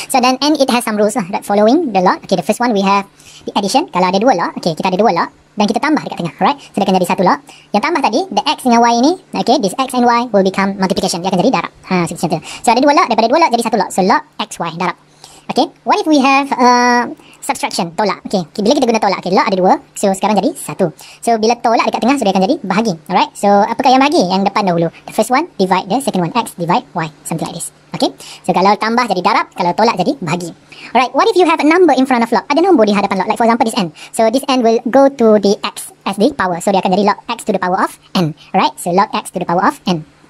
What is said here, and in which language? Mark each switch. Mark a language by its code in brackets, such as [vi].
[en] So then and it has some rules lah that following the log. Okay, the first one we have the addition. [ms] Kalau ada 2 log, okay, kita ada 2 log dan kita tambah dekat tengah. Alright. So dia akan jadi 1 log. Yang tambah tadi, the x dengan y ini, okay, [en] this x and y will become multiplication. [ms] Dia akan jadi darab. So ada 2 log, daripada 2 log jadi 1 log. So log x, y, darab. Okay, [en] what if we have subtraction, [ms] tolak. Okay, bila kita guna tolak, okay, log ada 2, so sekarang jadi 1. So, bila tolak dekat tengah, so dia akan jadi bahagi. Alright, so apakah yang bahagi? Yang depan dahulu. [en] The first one divide the second one, x divide y, something like this. Okay, so [ms] kalau tambah jadi darab, kalau tolak jadi bahagi. [en] Alright, what if you have a number in front of log? [ms] Ada nombor di hadapan log, [en] like for example this n. So, this n will go to the x as the power. So, [ms] dia akan jadi [en] log x to the power of n. Alright, so log x to the power of n.